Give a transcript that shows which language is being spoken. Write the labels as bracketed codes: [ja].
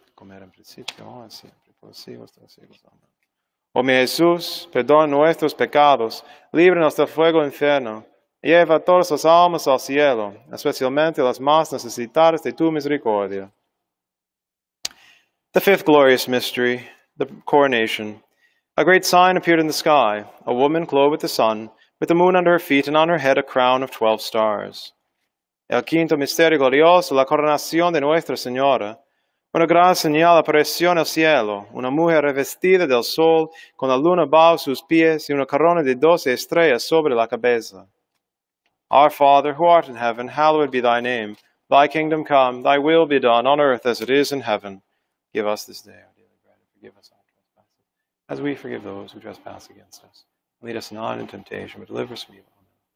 [es] Como era en principio, ahora y siempre, por los siglos de los siglos. Amén. Oh mi Jesús, perdona nuestros pecados, líbranos del fuego infierno, lleva a todas las almas al cielo, especialmente las más necesitadas de tu misericordia. [en] The fifth glorious mystery, the coronation. A great sign appeared in the sky, a woman clothed with the sun, with the moon under her feet and on her head a crown of 12 stars. [es] El quinto misterio glorioso, la coronación de Nuestra Señora. Una gran señal apareció en el cielo, una mujer revestida del sol, con la luna bajo sus pies y una corona de 12 estrellas sobre la cabeza. [en] Our Father, who art in heaven, hallowed be thy name. Thy kingdom come, thy will be done, on earth as it is in heaven. Give us this day our daily bread, and forgive us our trespasses, as we forgive those who trespass against us. Lead us not into temptation, but deliver us from evil. Amen.